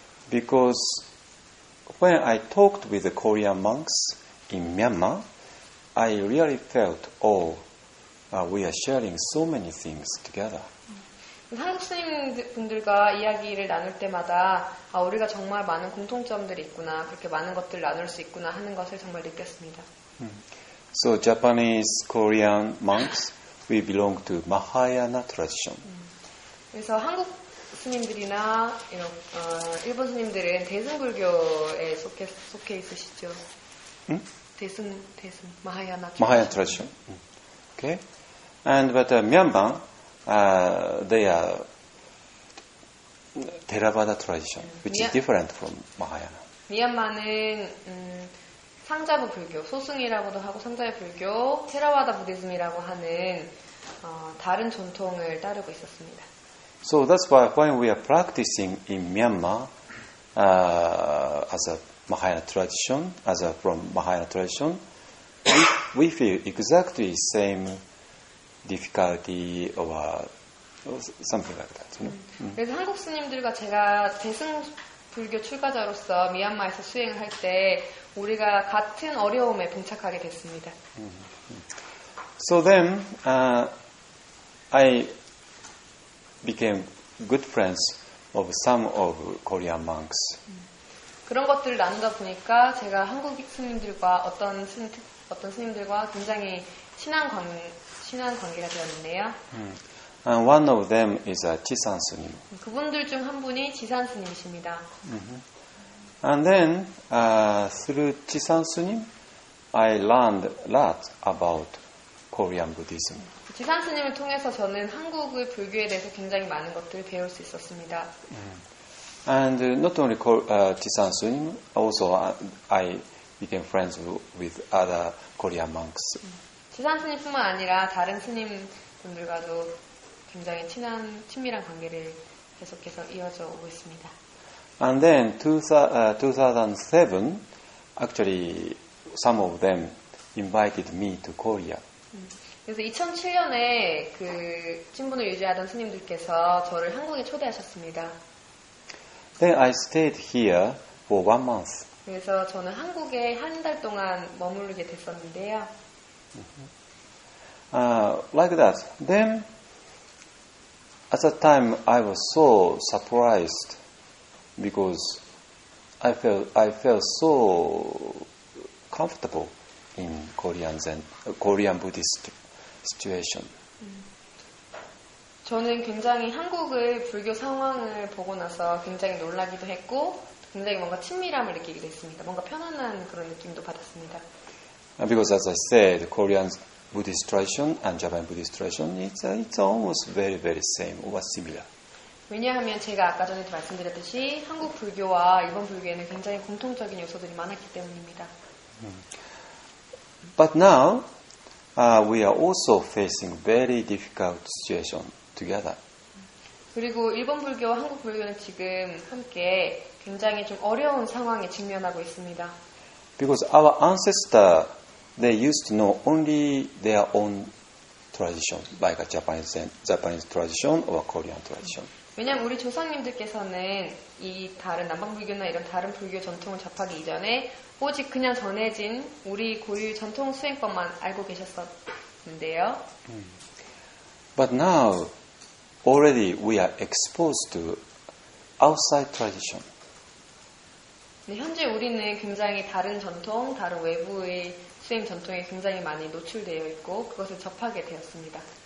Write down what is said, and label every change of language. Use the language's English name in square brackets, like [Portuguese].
[English] Because when I talked with the Korean monks in Myanmar, I really felt, we are sharing so many things together. [Korean] 한국 스님분들과 이야기를 나눌 때마다 우리가 정말 많은 공통점들이 있구나, 그렇게 많은 것들을 나눌 수 있구나 하는 것을 정말 느꼈습니다. [English] So Japanese Korean monks, we belong to Mahayana tradition. [Korean] 그래서 한국 스님들이나 일본 스님들은 대승불교에 속해 있으시죠. 대승 마하야나. [English] 마하야나 tradition. Okay. And but Myanmar, they are Theravada tradition, which is different from Mahayana. [Korean] 미얀마는 상자부 불교, 소승이라고도 하고 상자부 불교, 테라바다 부디즘이라고 하는 다른 전통을 따르고 있었습니다. [English] So that's why when we are practicing in Myanmar as a Mahayana tradition, as a from Mahayana tradition, we feel exactly the same difficulty or something like that. You know? [Korean] 그래서 한국 스님들과 제가 대승 불교 출가자로서 미얀마에서 수행을 할 때 우리가 같은 어려움에 봉착하게 됐습니다. [English] So then I became good friends of some of Korean monks. [Korean] 그런 것들을 나누다 보니까 제가 한국 스님들과 어떤 스님들과 굉장히 친한 관계가 되었는데요. [English] And one of them is a 지산 스님. [Korean] 그분들 중 한 분이 지산 스님이십니다. [English] And then through 지산 스님, I learned a lot about Korean Buddhism. [Korean] 지산 스님을 통해서 저는 한국의 불교에 대해서 굉장히 많은 것들을 배울 수 있었습니다. [English] And not only Jisan Sunim, also I became friends with other Korean monks. [Korean] 지산 스님뿐만 아니라 다른 스님분들과도 굉장히 친밀한 관계를 계속해서 이어져 오고 있습니다. [English] And then 2007, actually some of them invited me to Korea. [Korean] 그래서 2007년에 그 친분을 유지하던 스님들께서 저를 한국에 초대하셨습니다. [English] Then I stayed here for 1 month. [Korean] 그래서 저는 한국에 한 달 동안 머무르게 됐었는데요. [English] Like that. Then, at that time, I was so surprised because I felt so comfortable in Korean Zen, Korean Buddhist situation. [Korean] 저는 굉장히 한국의 불교 상황을 보고 나서 굉장히 놀라기도 했고 굉장히 뭔가 친밀함을 느끼기도 했습니다. 뭔가 편안한 그런 느낌도 받았습니다. [English] Because as I said, Korean Buddhist tradition and Japanese Buddhist tradition it's almost very very same or similar. [Korean] 왜냐하면 제가 아까 전에 말씀드렸듯이 한국 불교와 일본 불교에는 굉장히 공통적인 요소들이 많았기 때문입니다. [English] But now we are also facing very difficult situation together. [Korean] 그리고 일본 불교와 한국 불교는 지금 함께 굉장히 좀 어려운 상황에 직면하고 있습니다. [English] Because our ancestors, they used to know only their own tradition, like a Japanese tradition or a Korean tradition. [Korean] 왜냐하면 우리 조상님들께서는 이 다른 남방 불교나 이런 다른 불교 전통을 접하기 이전에 오직 그냥 전해진 우리 고유 전통 수행법만 알고 계셨었는데요. [English] But now, already we are exposed to outside tradition. [Korean] 네, 현재 우리는 굉장히 다른 전통, 다른 외부의 수행 전통에 굉장히 많이 노출되어 있고 그것을 접하게 되었습니다.